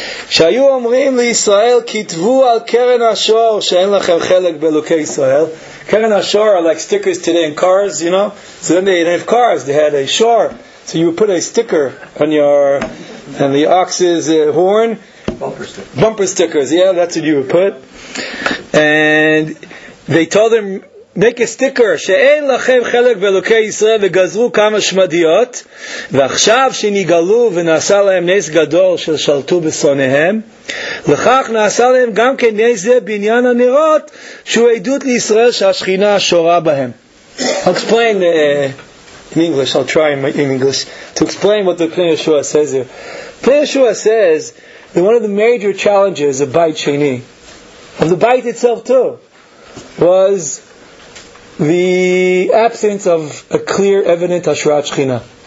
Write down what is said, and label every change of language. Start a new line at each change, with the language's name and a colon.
Hebrew: שהיו אומרים לישראל כתבו על קרן השור שאין לכם חלק באלוקי ישראל.
English: קרן השור are like stickers today in cars, you know. So then they didn't have cars, they had a shore. So you put a sticker on your, and the ox's horn. Bumper stickers. Bumper stickers, yeah, that's what you would put. And they told him, make a sticker,
Hebrew: שאין לכם חלק באלוקי ישראל, וגזרו כמה שמדיות, ועכשיו שנגלו ונעשה להם נס גדול ששלטו בשונאיהם, לכך נעשה להם גם כן נס זה בעניין הנרות, שהוא עדות לישראל שהשכינה שורה בהם.
English: I'll explain in English. I'll try in English to explain what the Pnei Yeshua says here. Pnei Yeshua says that one of the major challenges of Bayit Sheni, of the Bayit itself too, was the absence of a clear, evident Hashra'at Shechina.